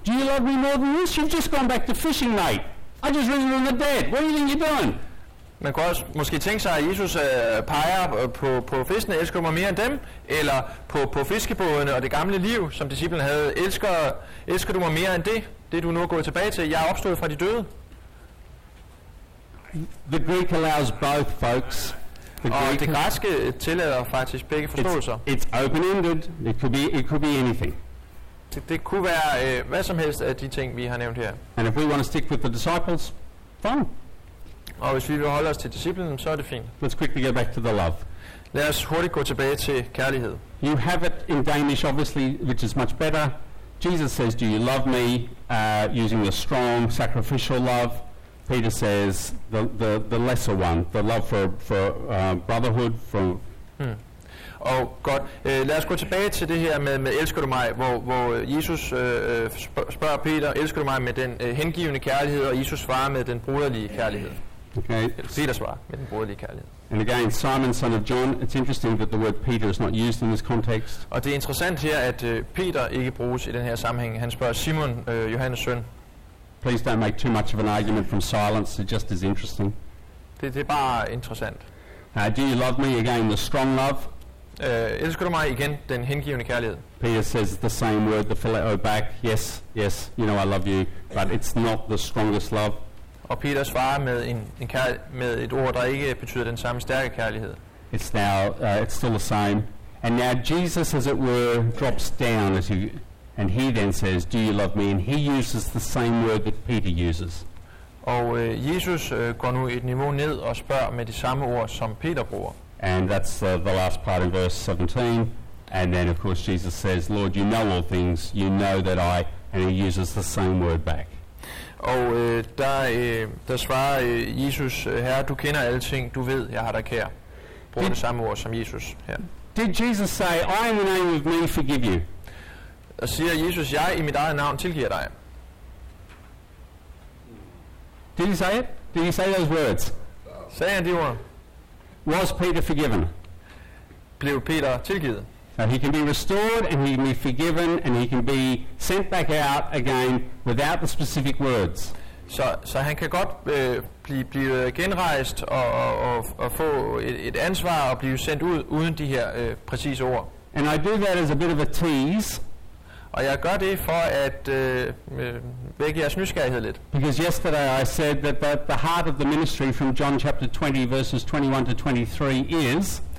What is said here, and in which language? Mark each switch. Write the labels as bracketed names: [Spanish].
[English] Do you love me more than this? You've just gone back to fishing, mate. I just risen from the dead. What do you think you're doing? [Danish] Man kan også måske tænke sig, at Jesus peger på fiskene, elsker mig mere end dem, eller på fiskebådene og det gamle liv, som disciplen havde. Elsker du mig mere end det du nu er gået tilbage til? Jeg er opstået fra de døde. [English] The Greek allows both, folks. [Danish] Og det græske tillader faktisk begge forståelser. [English] It's open-ended. It could be anything. [Danish] Det kunne være hvad som helst af de ting, vi har nævnt her. [English] And if we want to stick with the disciples, fine. [Danish] Og hvis vi vil holde os til disciplen, så er det fint. [English] Let's quickly get back to the love. [Danish] Lad os hurtigt gå tilbage til kærlighed. [English] You have it in Danish, obviously, which is much better. Jesus says, do you love me? Using the strong, sacrificial love. Peter says, the lesser one, the love for brotherhood. [Danish] Og godt, lad os gå tilbage til det her med elsker du mig, hvor Jesus spørger Peter, elsker du mig med den hengivende kærlighed, og Jesus svarer med den broderlige kærlighed. [English] Okay. [Danish] Peter svarer med den broderlige kærlighed. [English] And again, Simon, son of John, it's interesting that the word Peter is not used in this context. [Danish] Og det er interessant her, at Peter ikke bruges i den her sammenhæng. Han spørger Simon, Johannes søn. [English] Please don't make too much of an argument from silence, it just is interesting. [Danish] Det er bare interessant. [English] Do you love me? Again, the strong love. [Danish] Elsker du mig? Igen, den hengivende kærlighed. [English] Peter says the same word, the phileo back. Yes, you know I love you, but it's not the strongest love. [Danish] Og Peter svarer med med et ord, der ikke betyder den samme stærke kærlighed. [English] It's now, it's still the same. And now Jesus, as it were, drops down as you, and he then says, do you love me? And he uses the same word that Peter uses. [Danish] Og Jesus går nu et niveau ned og spørger med de samme ord, som Peter bruger. [English] And that's the last part in verse 17. And then, of course, Jesus says, Lord, you know all things. You know that I, and he uses the same word back. [Danish] Og der svarer Jesus, Herre, du kender alle ting, du ved, jeg har dig kær. Bruger det samme ord som Jesus her. [English] Did Jesus say, I in the name of me forgive you? [Danish] Og siger Jesus, jeg i mit eget navn tilgiver dig. [English] Did he say it? Did he say those words? [Danish] Sagde han de ord? [English] Was Peter forgiven? [Danish] Blev Peter tilgivet? [English] So he can be restored, and he can be forgiven, and he can be sent back out again without the specific words. [Danish] So han kan godt blive genrejst og få et ansvar og blive sendt ud uden de her præcise ord. [English] And I do that as a bit of a tease. [Danish] Og jeg gør det for at vække jeres nysgerrighed lidt. [English] Because yesterday I said that the heart of the ministry from John chapter 20 verses 21 to 23 is.